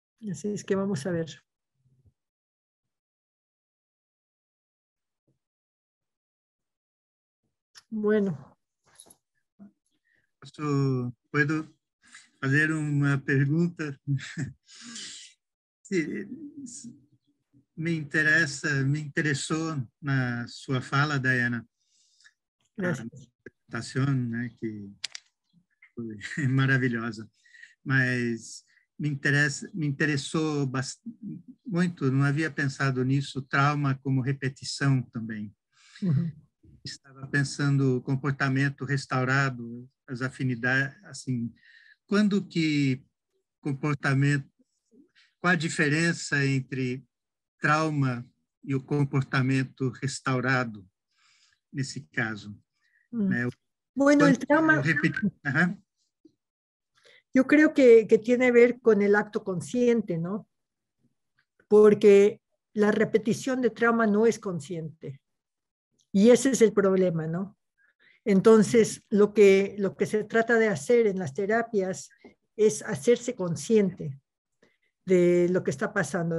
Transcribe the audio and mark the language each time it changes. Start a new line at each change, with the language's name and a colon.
Spanish: Así es que vamos a ver. Bueno, ¿Puedo hacer una pregunta? Sí, me interesó
Portuguese: na sua fala, Diana. Né, que foi maravilhosa, mas me interessou muito, não havia pensado nisso, trauma como repetição também. Uhum. Estava pensando comportamento restaurado, as afinidades, assim, quando que comportamento, qual a diferença entre trauma e o comportamento restaurado nesse caso? Uhum.
Spanish: Bueno, el trauma, yo creo que tiene que ver con el acto consciente, ¿no? Porque la repetición de trauma no es consciente. Y ese es el problema, ¿no? Entonces, lo que se trata de hacer en las terapias es hacerse consciente de lo que está pasando.